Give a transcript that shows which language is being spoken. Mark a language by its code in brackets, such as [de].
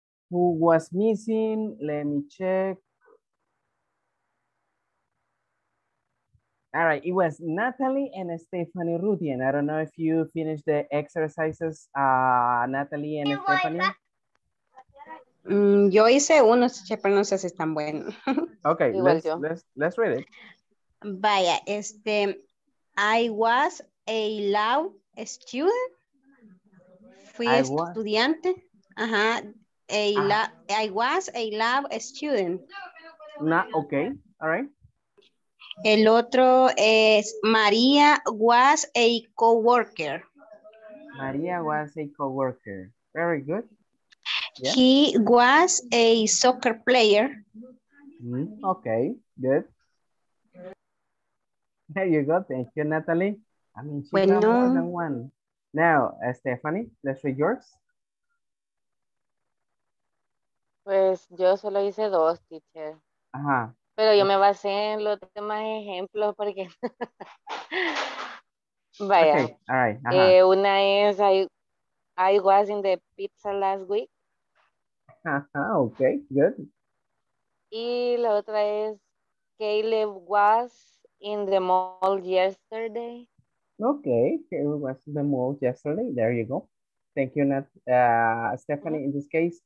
[en] Who was missing? Let me check. All right, it was Natalie and Stephanie Rudy. And I don't know if you finished the exercises, Natalie and Stephanie. [es] Yo hice unos, pero no sé si están buenos. [en] Ok, let's read it. [es] Vaya, este, [en] I was a law student. [es] Fui estudiante. Ajá. [en] I was a law student. Ok, all right. [es] El otro es María [en] was a co-worker. María was a co-worker. Very good. Yeah. He was a soccer player. Mm-hmm. Okay, good. There you go. Thank you, Natalie. I mean, she got more than one. Now, Stephanie, let's read yours. [es] Pues yo solo hice dos, teacher. Ajá. Pero yo me basé en los demás ejemplos porque... Vaya. Okay. [en] All right. Ajá. [es] Una es, [en] I was in the pizza last week. Okay, good. [es] Y la otra es, [en] Caleb was in the mall yesterday. Okay, Caleb was in the mall yesterday. There you go. Thank you, Nat, Stephanie, in this case.